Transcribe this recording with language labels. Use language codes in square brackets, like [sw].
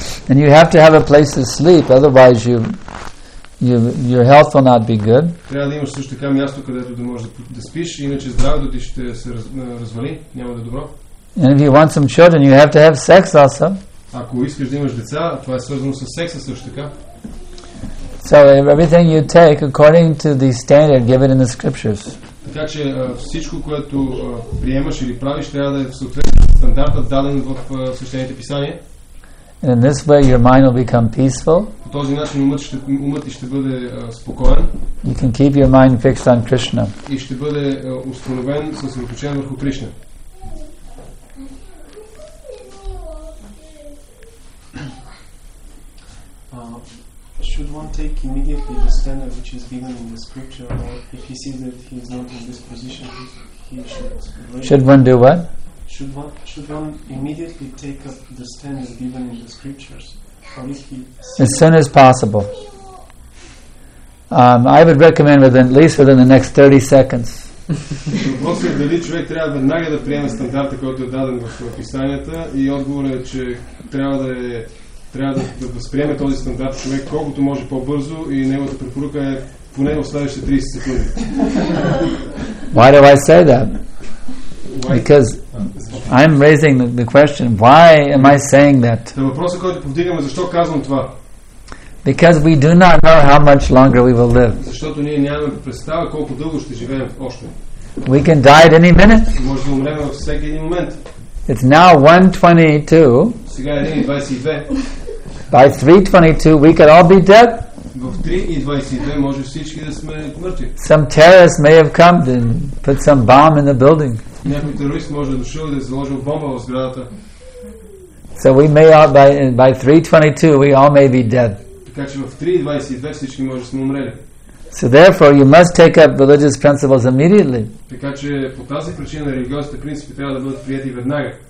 [en] And you have to have a place to sleep, otherwise your health will not be good. [bg] Трябва да имаш също така място, където да можеш да спиш, иначе здравето ти ще се развали, няма да е добро. [en] And if you want some children, you have to have sex also. [bg] Ако искаш да имаш деца, това е свързано с секса също така. [en] So everything you take according to the standard given in the scriptures. [bg] Така че всичко, което приемаш или правиш, трябва да е в съответствие с стандарта, даден в свещените писания. [en] And in this way your mind will become peaceful. [bg] По този начин умът ти ще бъде спокоен. [en] You can keep your mind fixed on Krishna. [bg] И ще бъде установен, съсредоточен върху Кришна. [en] Should one take immediately the standard which is given in the scripture, or if he sees that he is not in this position, he should wait? Should one do what? Should one immediately take up the standard given in the scriptures? as soon as possible. I would recommend within, at least within the next 30 seconds. [bg] Дали човек трябва веднага да приеме стандарта, който е даден в описанията, и отговорът е, че трябва да е, трябва да възприеме този стандарт човек колкото може по-бързо, и неговата препоръка е поне в следващите 30 секунди. [en] Why do I say that? Because I'm raising the question, why am I saying that? [bg] Въпросът, който повдигаме, защо казвам това? [en] Because we do not know how much longer we will live. [bg] Защото ние нямаме представа колко дълго ще живеем още. [en] We can die at any minute. [bg] Може да умрем във всеки един момент. [en] It's now 1:22. [bg] Сега е 1:22. [en] By 3:22 we could all be dead. [bg] В 3:22 може всички да сме мъртви. [en] Some terrorists may have come and put some bomb in the building. [bg] Някой терорист може да дошъл да е заложил бомба в сградата. [en] So we may all by 3:22 we all may be dead. [bg] Така че в 3:22 всички може да сме умрели. [en] So therefore you must take up religious principles immediately. [bg] Така че по тази причина религиозните принципи трябва да бъдат приети веднага.